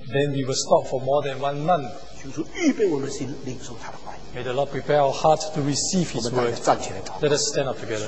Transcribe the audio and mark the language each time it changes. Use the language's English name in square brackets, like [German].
[English] Then we will stop for more than one month. [Chinese] 求主预备我们心领受他的话语 [English] May the Lord prepare our hearts to receive His word. [Chinese] 我们大家站起来祷告 [English] Let us stand up together.